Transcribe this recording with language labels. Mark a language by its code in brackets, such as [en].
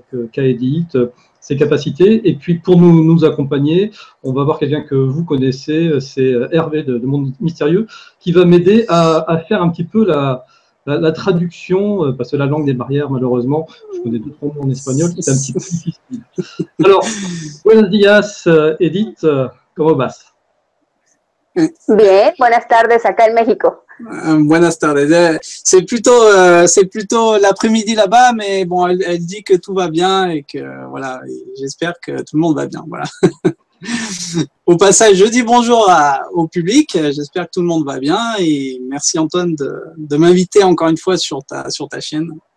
[fr] qu'a Edith, ses capacités, et puis pour nous accompagner, on va voir quelqu'un que vous connaissez, c'est Hervé de Monde Mystérieux, qui va m'aider à faire un petit peu la traduction, parce que la langue des barrières, malheureusement, je connais deux trois mots en espagnol, c'est un petit peu difficile. [es] Alors, buenos días, Edith, ¿cómo vas? Bien, buenas tardes acá en México. Buenas tardes. [fr] C'est plutôt l'après-midi là-bas, mais bon, elle dit que tout va bien et que voilà, j'espère que tout le monde va bien. Voilà. Au passage, je dis bonjour au public. J'espère que tout le monde va bien et merci Antoine de m'inviter encore une fois sur ta chaîne.